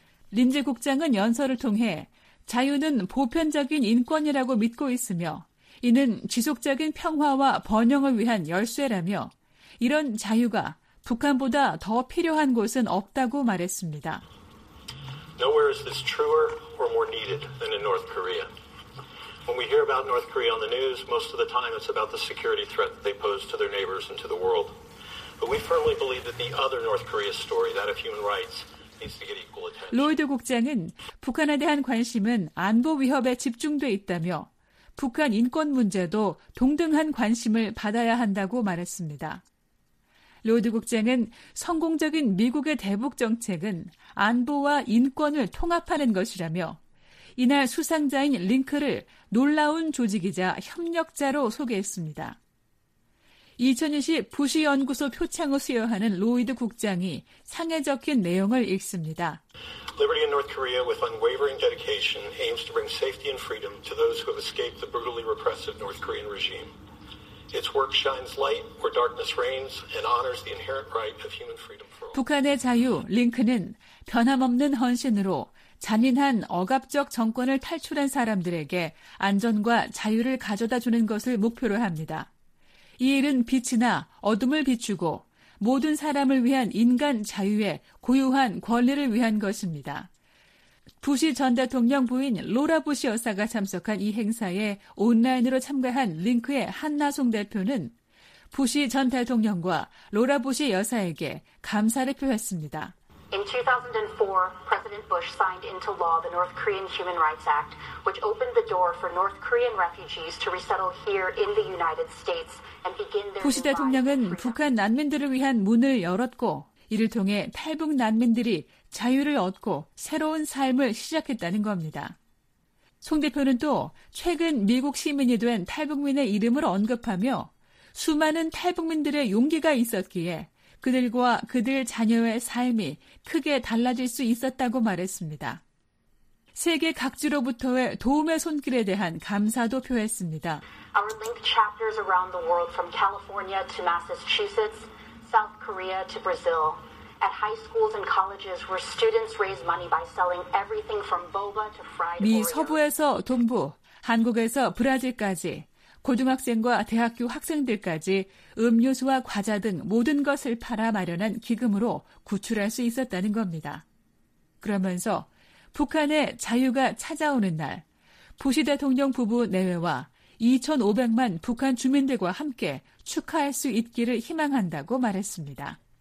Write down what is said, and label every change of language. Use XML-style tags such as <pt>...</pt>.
<ko>린지 국장은 연설을 통해 자유는 보편적인 인권이라고 믿고 있으며 이는 지속적인 평화와 번영을 위한 열쇠라며 이런 자유가 북한보다 더 필요한 곳은 없다고 말했습니다.</ko> <en>Nowhere is this truer or more needed than in North Korea. When we hear about North Korea on the news, most of the time it's about the security threat they pose to their neighbors and to the world. But we firmly believe that the other North Korea story, that of human rights,</en> <ko>로이드 국장은 북한에 대한 관심은 안보 위협에 집중돼 있다며 북한 인권 문제도 동등한 관심을 받아야 한다고 말했습니다. 로이드 국장은 성공적인 미국의 대북 정책은 안보와 인권을 통합하는 것이라며 이날 수상자인 링크를 놀라운 조직이자 협력자로 소개했습니다. 2020 부시 연구소 표창을 수여하는 로이드 국장이 상에 적힌 내용을 읽습니다.</ko> <en>Liberty in North Korea with unwavering dedication aims to bring safety and freedom to those who have escaped the brutally repressive North Korean regime. Its work shines light where darkness reigns and honors the inherent right of human freedom for all.</en> <ko>북한의 자유, 링크는 변함없는 헌신으로 잔인한 억압적 정권을 탈출한 사람들에게 안전과 자유를 가져다 주는 것을 목표로 합니다. 이 일은 빛이나 어둠을 비추고 모든 사람을 위한 인간 자유의 고유한 권리를 위한 것입니다. 부시 전 대통령 부인 로라 부시 여사가 참석한 이 행사에 온라인으로 참가한 링크의 한나송 대표는 부시 전 대통령과 로라 부시 여사에게 감사를 표했습니다.</ko> <en>In 2004, President Bush signed into law the North Korean Human Rights Act, which opened the door for North Korean refugees to resettle here in the United States and begin their.</en> <ko>부시 대통령은 북한 난민들을 위한 문을 열었고 이를 통해 탈북 난민들이 자유를 얻고 새로운 삶을 시작했다는 겁니다. 송 대표는 또 최근 미국 시민이 된 탈북민의 이름을 언급하며 수많은 탈북민들의 용기가 있었기에 그들과 그들 자녀의 삶이 크게 달라질 수 있었다고 말했습니다. 세계 각지로부터의 도움의 손길에 대한 감사도 표했습니다.</ko> <en>Our linked chapters around the world from California to Massachusetts, South Korea to Brazil. At high schools and colleges where students raise money by selling everything from boba to fried Oreo.</en> <ko>미 서부에서 동부, 한국에서 브라질까지 고등학생과 대학교 학생들까지 음료수와 과자 등 모든 것을 팔아 마련한 기금으로 구출할 수 있었다는 겁니다. 그러면서 북한의 자유가 찾아오는 날, 부시 대통령 부부 내외와 2,500만 북한 주민들과 함께 축하할 수 있기를 희망한다고 말했습니다.</ko>